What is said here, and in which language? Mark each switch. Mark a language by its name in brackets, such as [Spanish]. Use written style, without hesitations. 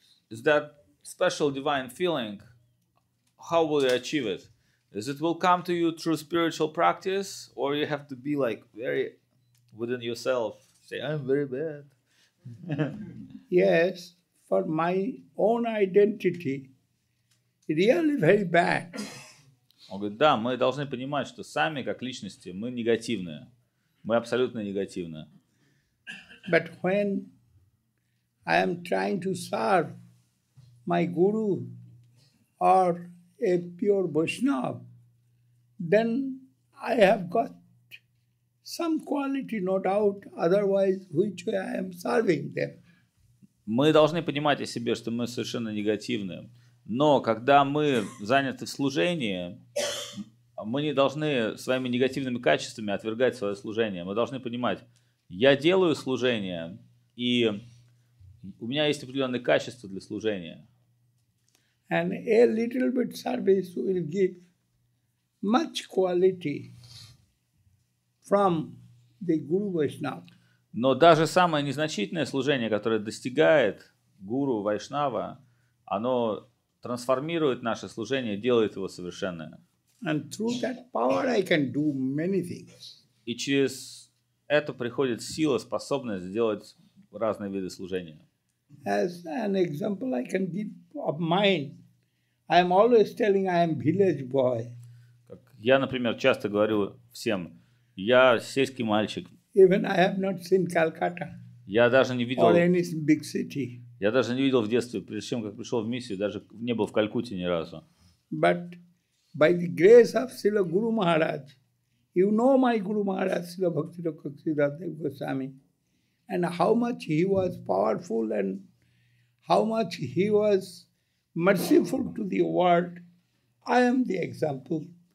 [English] Is that special divine feeling? How will you achieve it? Is it will come to you through spiritual practice, or you have to be like very within yourself, say, I'm very bad? Yes, for my own identity, really very bad. [Russian] Он говорит, да, мы должны понимать, что сами, как личности, мы негативные. Мы абсолютно негативные. [English] But when I am trying to serve my guru or a pure Vaishnav, then I have got some quality, no doubt, otherwise which way I am serving them. [Russian] Мы должны понимать о себе, что мы совершенно негативны. Но когда мы заняты в служении, мы не должны своими негативными качествами отвергать свое служение. Мы должны понимать, я делаю служение, и у меня есть определенные качества для служения. [English] And a little bit service will give much quality from the Guru Vaishnav. [Russian] Но даже самое незначительное служение, которое достигает Гуру Вайшнава, оно трансформирует наше служение, делает его совершенным. [English] And through that power I can do many things. [Russian] И через это приходит сила, способность сделать разные виды служения. [English] As an example I can give of mine, I am always telling I am village boy. [Russian] Как я, например, часто говорю всем, я сельский мальчик. [English] Even I have not seen Calcutta. [Russian] Я даже не видел. [English] Or any big city. [Russian] Я даже не видел в детстве, прежде чем как пришел в миссию, даже не был в Калькутте ни разу. [English] But by the grace of Srila Guru Maharaj, you know my Guru Maharaj, Srila Bhaktisiddhanta Siddhartha Goswami, and how much he was powerful and how much he was merciful to the world, I am the example.